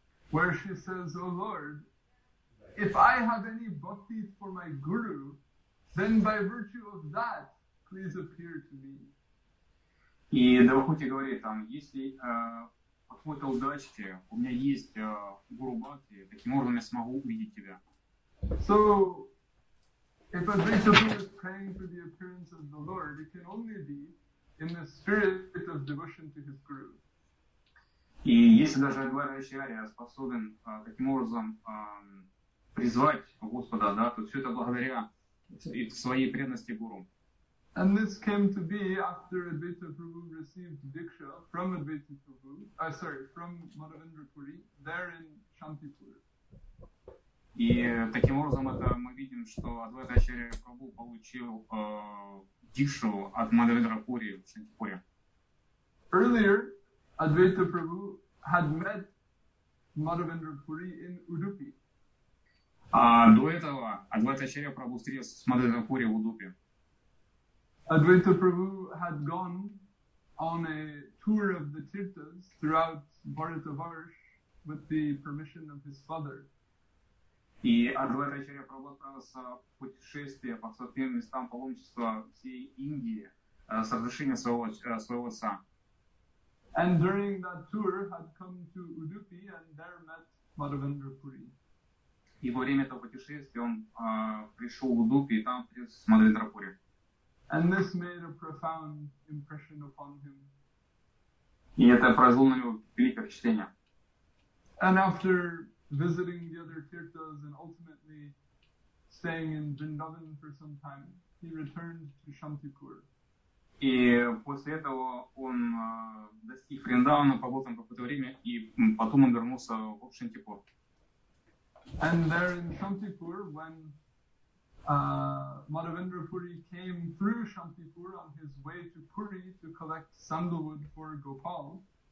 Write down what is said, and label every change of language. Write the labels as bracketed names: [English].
[English] Where she says, O Lord, if I have any bhakti for my guru, then by virtue of that, please appear to me. [Russian] И Девахути говорит там, если по какой-то удачке у меня есть гуру бхакти, таким образом я смогу увидеть тебя. [English] So, if Advaita Prabhu is praying for the appearance of the Lord, it can only be in the spirit of devotion to his guru. [Russian] И если даже Адвайта Ачарья способен таким образом призвать Господа, да, то все это благодаря своей преданности гуру. [English] And this came to be after Advaita Prabhu received Diksha from Advaita Prabhu, from Madhavendra Puri, there in Shantipur. [Russian] И таким образом это мы видим, что Адвайта Ачарья Прабху получил Дикшу от Мадхавендра Пури в Шантипуре. [English] Earlier, Advaita Prabhu had met Madhavendra Puri in Udupi. [Russian] А до этого Адвайта Ачарья Прабху встретился с Мадхавендра Пури в Удупи. [English] Advaita Prabhu had gone on a tour of the Tirthas throughout Bharata Varsh with the permission of his father. [Russian] И Адвайта Ачарья Прабху отправился в путешествие по святым местам паломничества всей Индии с разрешения своего отца. [English] And during that tour, had come to Udupi and there met Madhavendra Puri. [Russian] И во время этого путешествия он пришел в Удупи и там встретился с Мадхавендра Пури. [English] And this made a profound impression upon him. [Russian] И это произвело на него великое впечатление. [English] And after visiting the other Tirthas and ultimately staying in Vrindavan for some time, he returned to Shantipur. [Russian] И после этого он достиг Вриндавана, побыл там какое-то время, и потом он вернулся в Шантипур. [English] And there in Shantipur, when Madhavendra Puri came through Shantipur on his way to Puri to collect sandalwood for Gopal.